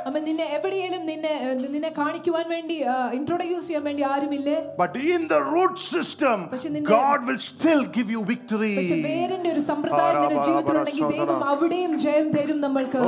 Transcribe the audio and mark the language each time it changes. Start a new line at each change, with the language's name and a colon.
Malayalam: അമ്മ, നിന്നെ എവിടെയെങ്കിലും നിന്നെ കാണിക്കാൻ വേണ്ടി ഇൻട്രൊഡ്യൂസ് ചെയ്യാൻ വേണ്ടി ആരുമില്ലേ?
English: But in the root system, God will still give you victory.
Malayalam: പക്ഷേ വേരിന്റെ ഒരു സമ്പ്രദായം നിന്റെ ജീവിതത്തിൽ ഉണ്ടെങ്കിൽ ദൈവം അവിടെയും ജയം തരും നമ്മൾക്ക്.